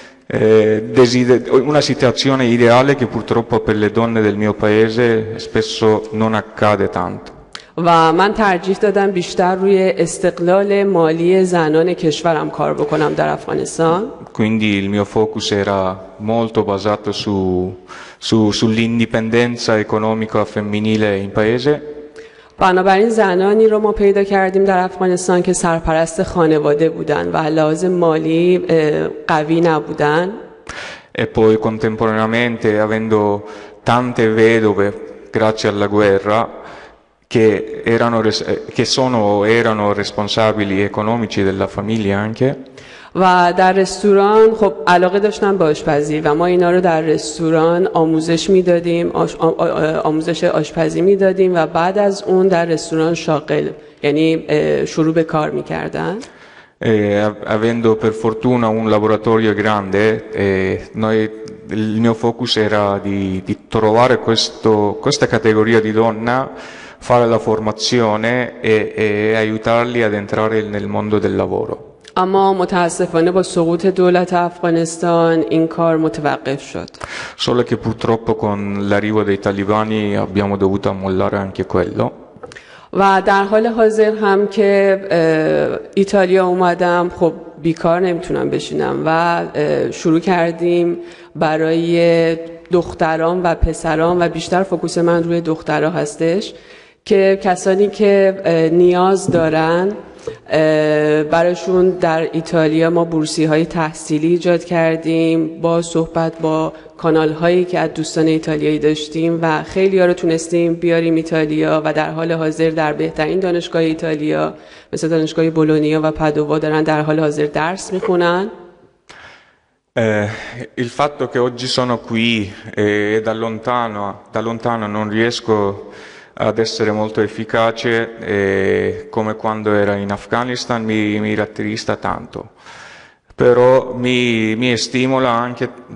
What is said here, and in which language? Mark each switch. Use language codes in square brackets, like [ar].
[it] Una situazione ideale che purtroppo per le donne del mio paese spesso non accade tanto. [fa] و من ترجیح دادم بیشتر روی استقلال مالی زنان کشورم کار بکنم در افغانستان. [it] Quindi il mio focus era molto basato sull'indipendenza economica femminile in paese. [fa] بنابراین زنانی رو ما پیدا کردیم در افغانستان که سرپرست خانواده بودن و لحاظ مالی قوی نبودن. [it] E poi contemporaneamente, avendo tante vedove, grazie alla guerra, che erano responsabili economici della famiglia anche. [fa] و در رستوران خب علاقه داشتم به آشپزی و ما اینا رو در رستوران آموزش میدادیم آموزش آشپزی میدادیم و بعد از اون در رستوران شاغل یعنی شروع به کار میکردن [it] avendo per fortuna un laboratorio grande noi il mio focus era di trovare questa categoria di donna fare la formazione e aiutarli ad entrare nel mondo del lavoro. [fa] اما متاسفانه با سقوط دولت افغانستان این کار متوقف شد. [it] Solo che purtroppo con l'arrivo dei talibani abbiamo dovuto mollare anche quello. [fa] و در حال حاضر هم که ایتالیا اومدم خب بیکار نمیتونم بشینم و شروع کردیم برای دختران و پسران و بیشتر فوکوس من روی دخترها هستش که کسانی که نیاز دارن براشون در ایتالیا ما بورسی‌های تحصیلی ایجاد کردیم با صحبت با کانال‌هایی که از دوستان ایتالیایی داشتیم و خیلی‌ها رو تونستیم بیاریم ایتالیا و در حال حاضر در بهترین دانشگاه ایتالیا مثل دانشگاه بولونیا و پادووا دارن در حال حاضر درس می‌خونن. [it] Il fatto che oggi sono qui e da lontano non riesco ad essere molto efficace come quando era in Afghanistan mi rattrista tanto però mi stimola anche